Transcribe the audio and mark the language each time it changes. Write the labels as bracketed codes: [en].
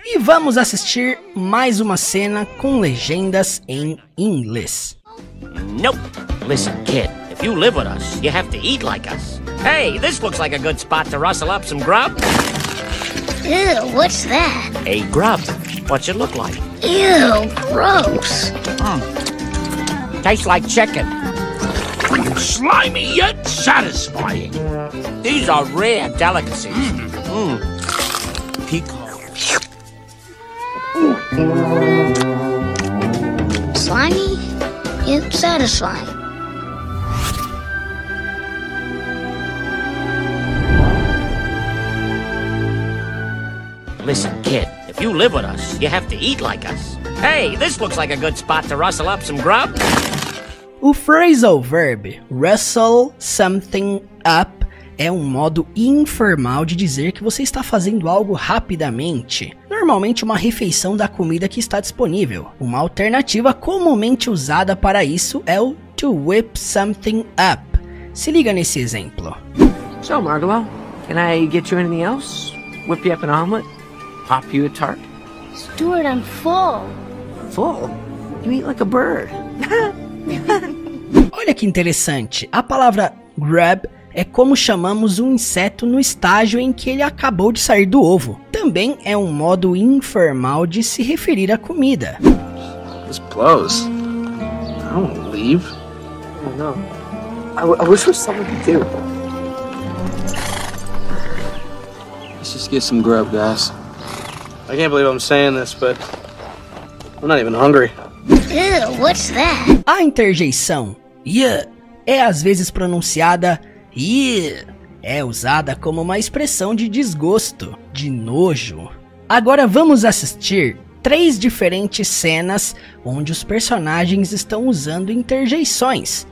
[pt] E vamos assistir mais uma cena com legendas em inglês. [en] Nope. Listen, kid. If you live with us, you have to eat like us. Hey, this looks like a good spot to rustle up some grub. Ew, what's that? A grub. What's it look like? Ew, gross. Tastes like chicken. Slimy yet satisfying. These are rare delicacies. Pico. Slimy yet satisfying. Listen, kid, if you live with us, you have to eat like us. Hey, this looks like a good spot to rustle up some grub. [pt] O phrasal verb, [en] rustle something up, [pt] é um modo informal de dizer que você está fazendo algo rapidamente. Normalmente uma refeição da comida que está disponível. Uma alternativa comumente usada para isso é o [en] to whip something up. [pt] Se liga nesse exemplo. [en] So, Margot, can I get you anything else? Whip you up an omelet? Pop you a tart? Stuart, I'm full. Full? You eat like a bird. [pt] Olha que interessante. A palavra grub é como chamamos um inseto no estágio em que ele acabou de sair do ovo. Também é um modo informal de se referir à comida. [en] This blows. I don't leave. I don't know. I wish there was something to do. Let's just get some grub, guys. I can't believe I'm saying this, but I'm not even hungry. Ew, what's that? [pt] A interjeição yeah é às vezes pronunciada yeah. É usada como uma expressão de desgosto, de nojo. Agora vamos assistir três diferentes cenas onde os personagens estão usando interjeições.